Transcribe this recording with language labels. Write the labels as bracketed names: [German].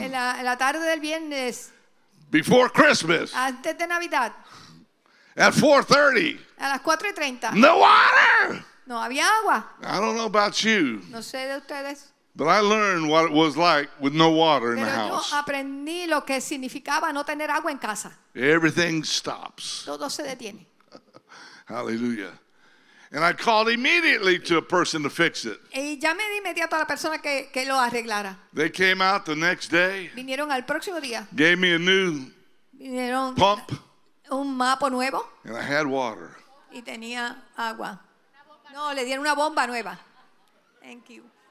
[Spanish] En la tarde del viernes. [English] Before Christmas. [Spanish] Antes de Navidad. [English] At 4:30. [Spanish] A las 4:30. [English] No water. [Spanish] No había agua. [English] I don't know about you. [Spanish] No sé de ustedes. [English] But I learned what it was like with no water in [Spanish] Pero [English] the house. [Spanish] Pero yo aprendí lo que significaba no tener agua en casa. [English] Everything stops. [Spanish] Todo se detiene. [English] Hallelujah. And I called immediately to a person to fix it. [Spanish] Y llamé de inmediato a la persona que lo arreglara. [English] They came out the next day. [Spanish] Vinieron al próximo día. [English] Gave me a new [Spanish] Vinieron [English] pump. [Spanish] Un mapa nuevo. [English] And I had water. [Spanish] Y tenía agua. No, le dieron una bomba nueva. [English] Thank you.